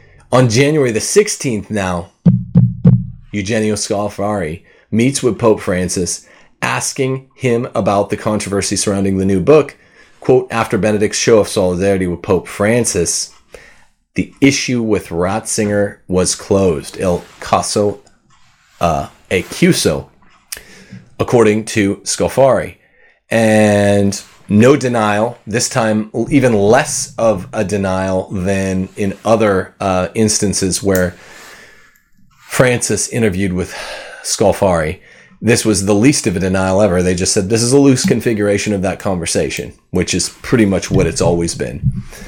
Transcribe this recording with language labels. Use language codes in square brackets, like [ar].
[en] On January the 16th now, Eugenio Scolfari meets with Pope Francis, asking him about the controversy surrounding the new book. Quote, after Benedict's show of solidarity with Pope Francis, the issue with Ratzinger was closed. [it] Il caso è chiuso, according to Scolfari. [en] And no denial, this time even less of a denial than in other instances where Francis interviewed with Scolfari. This was the least of a denial ever. They just said, this is a loose configuration of that conversation, which is pretty much what it's always been.